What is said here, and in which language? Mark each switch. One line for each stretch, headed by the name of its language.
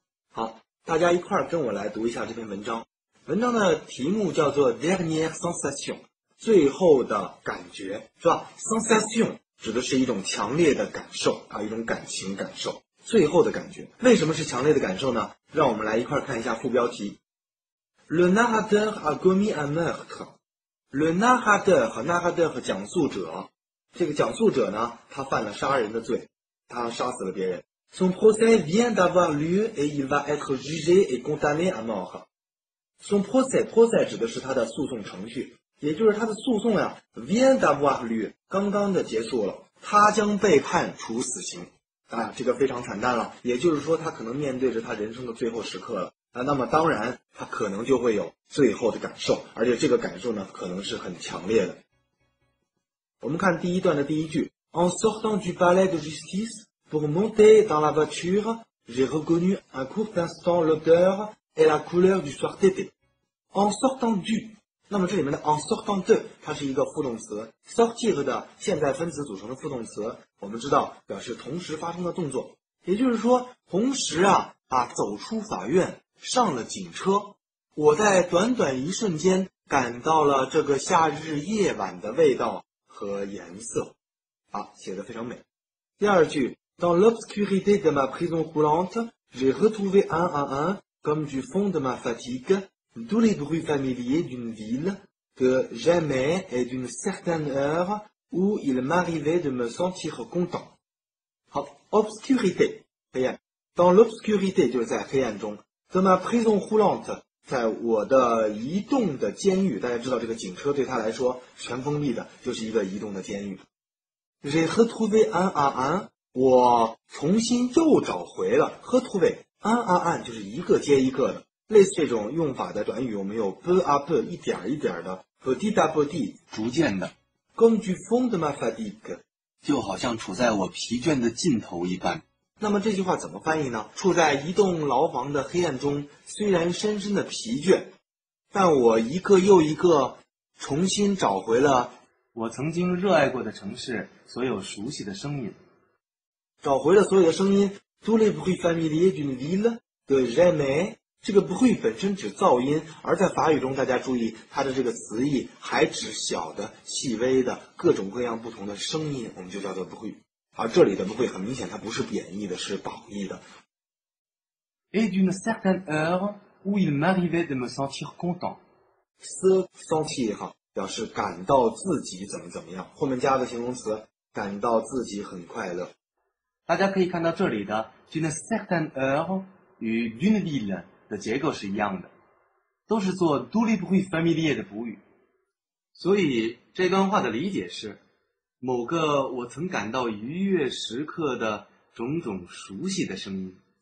Chinese: 好，大家一块儿跟我来读一下这篇文章。文章的题目叫做
French: dernière sensation，
Chinese: 最后的感觉，是吧？ sensation指的是一种强烈的感受啊，一种感情感受，最后的感觉。为什么是强烈的感受呢？让我们来一块看一下副标题。
French: Le narrateur a commis un meurtre.
Chinese: Le narrateur 和 narrateur 讲述者，这个讲述者呢，他犯了杀人的罪，他杀死了别人。
French: Son procès vient d'avoir lieu et il va être jugé et condamné à mort. Son procès
Chinese: 指的是他的诉讼程序。也就是他的诉讼呀 ，
French: vient d'avoir lieu，
Chinese: 刚刚的结束了，他将被判处死刑啊，这个非常惨淡了。也就是说，他可能面对着他人生的最后时刻了啊。那么当然，他可能就会有最后的感受，而且这个感受呢，可能是很强烈的。我们看第一段的第一句
French: ：En sortant du palais de justice pour monter dans la voiture, j'ai reconnu un court instant l'odeur et la couleur du soir d'été. En sortant du。
Chinese: 那么这里面的
French: en sortant de
Chinese: 它是一个副动词， sortir 的现在分词组成的副动词，我们知道表示同时发生的动作，也就是说同时啊，把走出法院上了警车，我在短短一瞬间感到了这个夏日夜晚的味道和颜色啊，写得非常美。
French: 第二句 Dans l'obscurité de ma prison roulante j'ai retrouvé un à un comme du fond de ma fatigueTous les bruits familiers d'une ville que j'aimais et d'une certaine heure où il m'arrivait de me sentir content.
Chinese: 好 ，obscurité 黑暗 ，
French: dans l'obscurité
Chinese: 就是在黑暗中 ，
French: dans ma prison roulante
Chinese: 在我的移动的监狱，大家知道这个警车对他来说全封闭的，就是一个移动的监狱。
French: J'ai retrouvé un à un，
Chinese: 我重新又找回了
French: retrouvé un à un
Chinese: 就是一个接一个的。类似这种用法的短语，我们有
French: peu à peu
Chinese: 一点一点的
French: petit à petit
Chinese: 逐渐的
French: comme du fond de ma fatigue
Chinese: 就好像处在我疲倦的尽头一般。那么这句话怎么翻译呢？处在一栋牢房的黑暗中，虽然深深的疲倦，但我一个又一个重新找回了我曾经热爱过的城市所有熟悉的声音，找回了所有的声音。
French: tous les bruits familiers d'une ville que j'aimais，
Chinese: 这个 bruit 本身指噪音，而在法语中大家注意它的这个词义还指小的细微的各种各样不同的声音，我们就叫做 bruit。而这里的 bruit 很明显它不是贬义的，是褒义的。
French: Et d'une certaine heure où il m'arrivait de me sentir content. Se sentir
Chinese: 表示感到自己怎么怎么样，后面加的形容词感到自己很快乐。大家可以看到这里的
French: d'une certaine heure
Chinese: 与
French: d'une ville
Chinese: 的结构是一样的，都是做
French: tous les bruits familiers
Chinese: 的补语，所以这段话的理解是某个我曾感到愉悦时刻的种种熟悉的声音。